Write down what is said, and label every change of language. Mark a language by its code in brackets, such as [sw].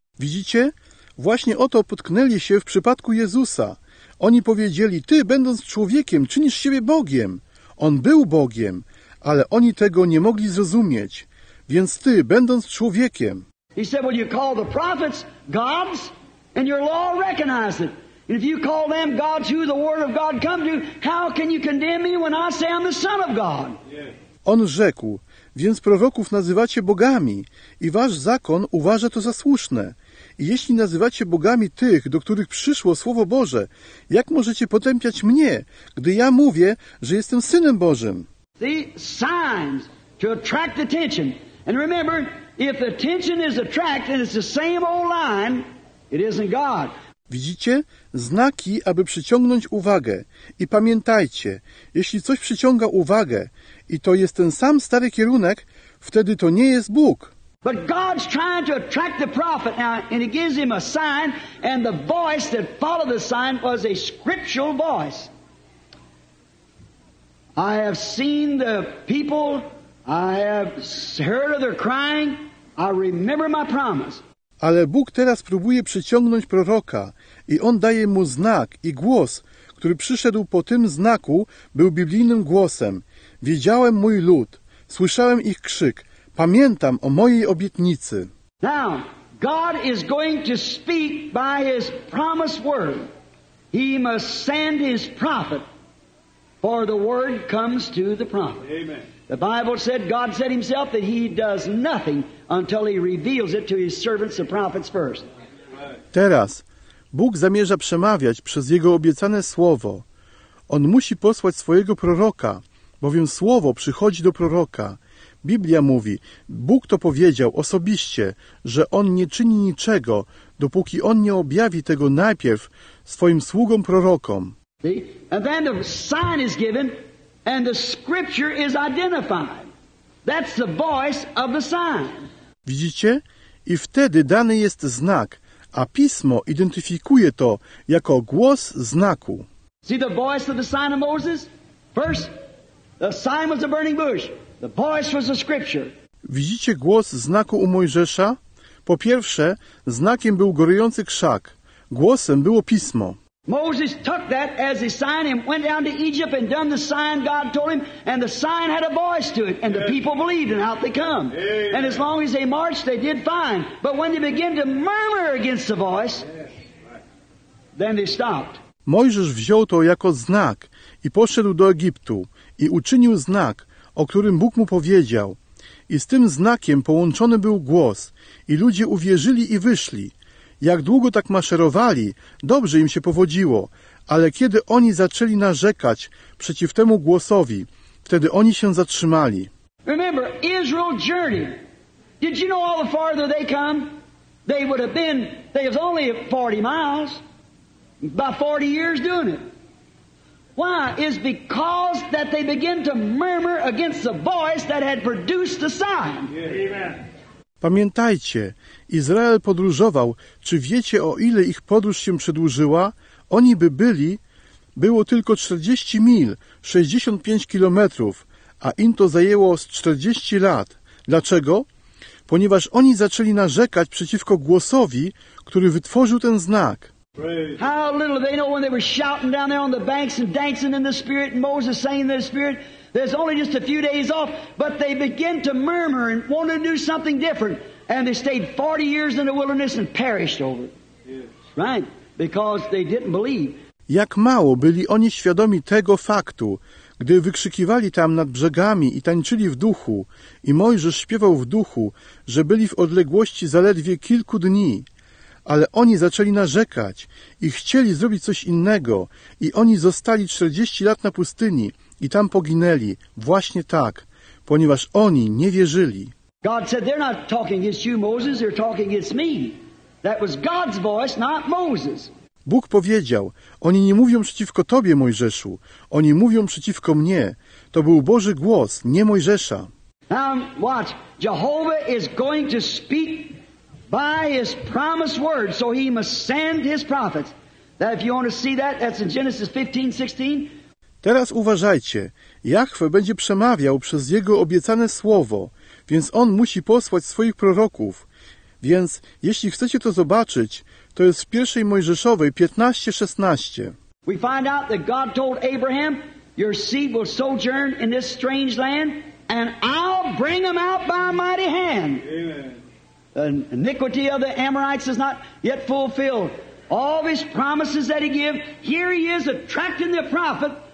[pl] Widzicie? Właśnie o to potknęli się w przypadku Jezusa. Oni powiedzieli, ty będąc człowiekiem, czynisz siebie Bogiem. On był Bogiem, ale oni tego nie mogli zrozumieć. Więc ty, będąc człowiekiem. [en] He said, well, you call the prophets gods? And your law recognizes it. And if you call them gods who the word of God come to, how can you condemn me when I say I'm the Son of God? [pl] On rzekł, więc proroków nazywacie bogami i wasz zakon uważa to za słuszne. I jeśli nazywacie bogami tych, do których przyszło Słowo Boże, jak możecie potępiać mnie, gdy ja mówię, że jestem Synem Bożym? [en] See, signs to attract attention. And remember, if attention is attracted, and it's the same old line, it isn't God. [pl] Widzicie? Znaki, aby przyciągnąć uwagę. I pamiętajcie, jeśli coś przyciąga uwagę i to jest ten sam stary kierunek, wtedy to nie jest Bóg. [en] But God's trying to attract the prophet now, and he gives him a sign, and the voice that followed the sign was a scriptural voice. I have seen the people, I have heard of their crying. I remember my promise. [pl] Ale Bóg teraz próbuje przyciągnąć proroka i on daje mu znak i głos, który przyszedł po tym znaku, był biblijnym głosem. Wiedziałem mój lud, słyszałem ich krzyk, pamiętam o mojej obietnicy. [en] Now, God is going to speak by his promised word. He must send his prophet, for the word comes to the prophet. Amen. The Bible said, God said himself that he does nothing until he reveals it to his servants, the prophets first. [pl] Teraz Bóg zamierza przemawiać przez jego obiecane słowo. On musi posłać swojego proroka, bowiem słowo przychodzi do proroka. Biblia mówi, Bóg to powiedział osobiście, że on nie czyni niczego, dopóki on nie objawi tego najpierw swoim sługom prorokom. [en] And then the sign is given and the scripture is identified. That's the voice of the sign. [pl] Widzicie? I wtedy dany jest znak, a Pismo identyfikuje to jako głos znaku. [en] See the voice of the sign of Moses? First, the sign was a burning bush. The voice was the scripture. [pl] Widzicie głos znaku u Mojżesza? Po pierwsze, znakiem był gorący krzak. Głosem było Pismo. [en] Moses took that as a sign and went down to Egypt and done the sign God told him, and the sign had a voice to it, and the people believed, and out they come. Amen. And as long as they marched, they did fine. But when they began to murmur against the voice, then they stopped. [pl] Mojżesz wziął to jako znak i poszedł do Egiptu i uczynił znak, o którym Bóg mu powiedział. I z tym znakiem połączony był głos, i ludzie uwierzyli i wyszli. Jak długo tak maszerowali, dobrze im się powodziło, ale kiedy oni zaczęli narzekać przeciw temu głosowi, wtedy oni się zatrzymali. [en] Remember, Israel journeyed. Did you know all the farther they come? They would have been, they was only 40 miles, by 40 years doing it. Why? It's because that they begin to murmur against the voice that had produced the sign. Amen. [pl] Pamiętajcie, Izrael podróżował, czy wiecie, o ile ich podróż się przedłużyła? Oni by byli, było tylko 40 mil, 65 kilometrów, a im to zajęło 40 lat. Dlaczego? Ponieważ oni zaczęli narzekać przeciwko głosowi, który wytworzył ten znak. [en] How little they know when they were shouting down there on the banks and dancing in the Spirit and Moses saying in the Spirit. There's only just a few days off, but they begin to murmur and want to do something different. And they stayed 40 years in the wilderness and perished over it. Yes. Right? Because they didn't believe. [pl] Jak mało byli oni świadomi tego faktu, gdy wykrzykiwali tam nad brzegami i tańczyli w duchu, i Mojżesz śpiewał w duchu, że byli w odległości zaledwie kilku dni. Ale oni zaczęli narzekać i chcieli zrobić coś innego, i oni zostali 40 lat na pustyni, i tam poginęli właśnie tak, ponieważ oni nie wierzyli. [en] God said they're not talking against you, Moses, they're talking against me. That was God's voice, not Moses. [pl] Bóg powiedział, oni nie mówią przeciwko tobie, Mojżeszu, oni mówią przeciwko mnie. To był Boży głos, nie Mojżesza. [en] Now watch, Jehovah is going to speak by his promised word, so he must send his prophets. That if you want to see that, that's in Genesis 15:16. [pl] Teraz uważajcie, Jahwe będzie przemawiał przez jego obiecane słowo, więc on musi posłać swoich proroków. Więc jeśli chcecie to zobaczyć, to jest w pierwszej Mojżeszowej 15:16. [en] We find out that God told Abraham, your seed will sojourn in this strange land, and I'll bring them out by a mighty hand. Amen. The iniquity of the Amorites is not yet fulfilled. All his promises that he gave, here he is attracting the prophet.